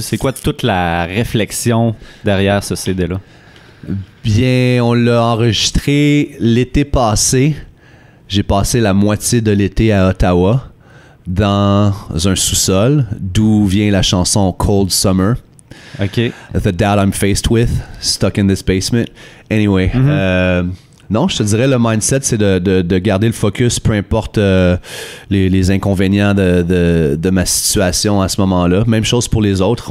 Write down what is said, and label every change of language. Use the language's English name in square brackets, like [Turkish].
[French] C'est quoi toute la réflexion derrière ce CD-là? Bien, on l'a enregistré l'été passé. J'ai passé la moitié de l'été à Ottawa, dans un sous-sol, d'où vient la chanson Cold Summer. OK. [English] The doubt I'm faced with, stuck in this basement. [French] Anyway, non, je te dirais, le mindset, c'est de garder le focus, peu importe les inconvénients de ma situation à ce moment-là. Même chose pour les autres.